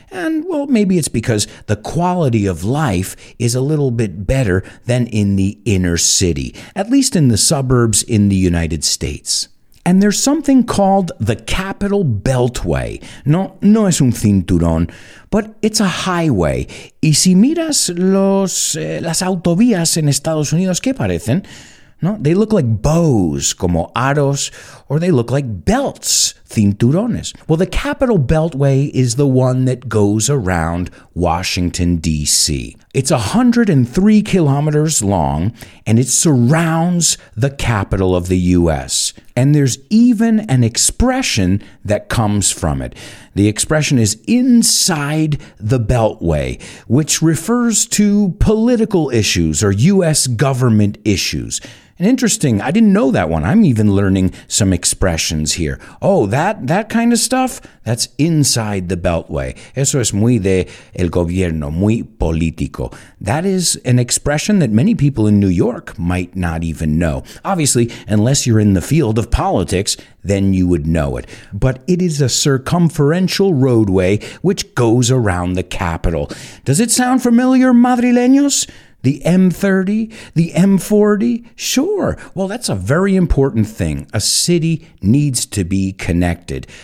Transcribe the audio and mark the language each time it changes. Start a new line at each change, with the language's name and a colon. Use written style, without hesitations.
English: And, well, maybe it's because the quality of life is a little bit better than in the inner city, at least in the suburbs in the United States. And there's something called the Capitol Beltway.
Spanish: No es un cinturón,
English: but it's a highway.
Spanish: Y si miras las autovías en Estados Unidos, ¿qué parecen?
English: No, they look like bows,
Spanish: como aros,
English: or they look like belts, cinturones. Well, the Capitol Beltway is the one that goes around Washington, D.C. It's 103 kilometers long, and it surrounds the capital of the U.S. And there's even an expression that comes from it. The expression is inside the Beltway, which refers to political issues or U.S. government issues. Interesting. I didn't know that one. I'm even learning some expressions here. Oh, that kind of stuff? That's inside the Beltway.
Spanish: Eso es muy de el gobierno, muy político.
English: That is an expression that many people in New York might not even know. Obviously, unless you're in the field of politics, then you would know it. But it is a circumferential roadway which goes around the capital. Does it sound familiar, madrileños? The M30, the M40, sure. Well, that's a very important thing. A city needs to be connected.